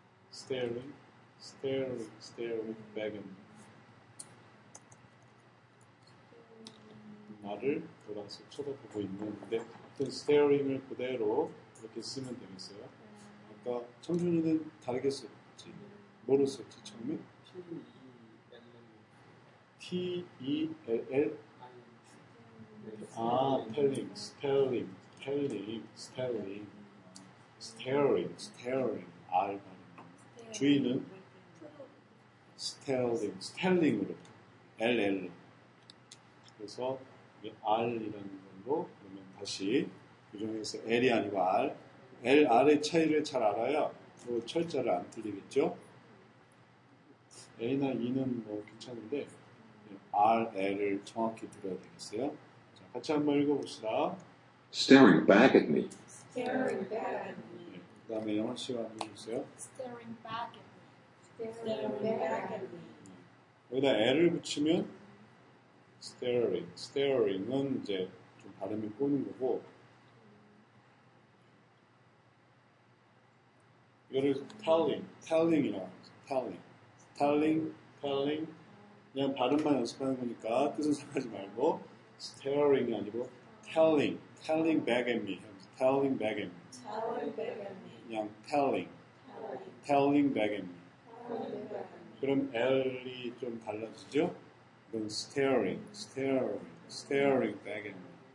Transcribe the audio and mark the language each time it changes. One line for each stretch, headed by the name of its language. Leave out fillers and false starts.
English: Staring, staring, staring back at me.
Korean: 나를 돌아서 쳐다보고 있는데 어떤 staring을 그대로 이렇게 쓰면 되겠어요. 아까 청준이는 다르게 썼지. 뭐로 썼지 처음에?
English: T-E-L-L spelling, spelling, spelling, spelling, staring, staring,
Korean: R 발음. 주인은?
English: Staring, spelling으로. L-L.
Korean: 그래서 R이라는 걸로 그러면 다시 규정해서 L이 아니고 R. L, R의 차이를 잘 알아야 그 철자를 안 틀리겠죠? A나 E는 뭐 괜찮은데 R, L을 정확히 들어야 되겠어요. 자, 같이 한번 읽어봅시다.
English: Staring back at me. Staring back at me. 네,
Korean: 그 다음에 영화 씨가 한번 해주세요.
English: Staring back at me. Staring back at me.
Korean: 네, 여기다 L을 붙이면 staring. staring은 이제 좀 발음이 꼬는 거고 이거를 telling, telling이라고 하죠.
English: telling, telling, telling.
Korean: 그냥 발음만 연습하는 거니까 뜻은 상하지 말고 staring이 아니고 telling, telling back at me.
English: telling back at me. telling back at me. 그냥 telling, telling back at me.
Korean: 그럼 L이 좀 달라지죠? 그럼
English: staring, staring, staring back at me.